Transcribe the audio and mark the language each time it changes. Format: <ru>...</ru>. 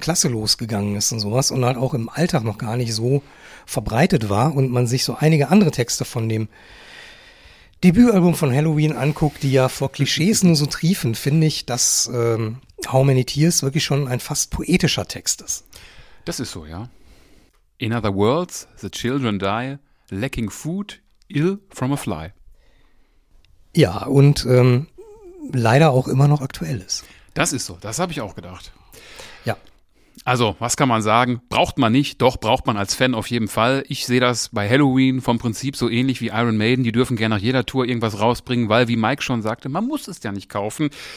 <de>Klasse losgegangen ist und sowas und halt auch im Alltag noch gar nicht so verbreitet war und man sich so einige andere Texte von dem Debütalbum von Halloween anguckt, die ja vor Klischees nur so triefen, finde ich, dass How Many Tears wirklich schon ein fast poetischer Text ist. Das ist so, ja.</de> <en>In other words, the children die, lacking food, ill from a fly.</en> <de>Ja, und leider auch immer noch aktuell ist. Das ist so, das habe ich auch gedacht. Ja. Also, was kann man sagen? Braucht man nicht, doch braucht man als Fan auf jeden Fall. Ich sehe das bei Halloween vom Prinzip so ähnlich wie Iron Maiden. Die dürfen gerne nach jeder Tour irgendwas rausbringen, weil, wie Mike schon sagte, man muss es ja nicht kaufen.</de>